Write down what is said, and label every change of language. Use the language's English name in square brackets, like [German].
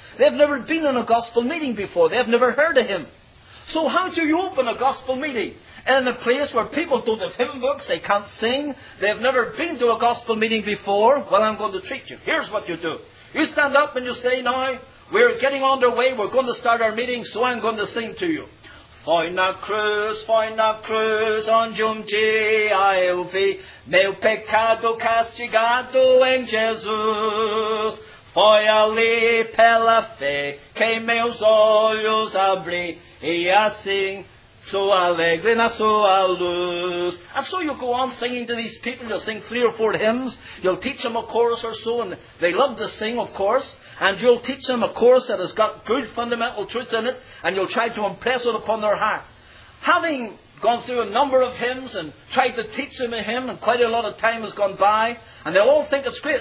[English] They've never been in a gospel meeting before. They've never heard a hymn. So how do you open a gospel meeting in a place where people don't have hymn books, they can't sing, they've never been to a gospel meeting before? Well, I'm going to treat you. Here's what you do. You stand up and you say, now, we're getting underway, we're going to start our meeting, so I'm going to sing to you. Find a cruz, on Jum G.I.O.V. [Portuguese] Meu pecado castigado em Jesus. Foi ali pela fé que meus olhos abri, e assim sou alegre na sua luz. [English] And so you go on singing to these people. You'll sing three or four hymns. You'll teach them a chorus or so, and they love to sing, of course. And you'll teach them a chorus that has got good fundamental truth in it, and you'll try to impress it upon their heart. Having gone through a number of hymns and tried to teach them a hymn, and quite a lot of time has gone by, and they all think it's great.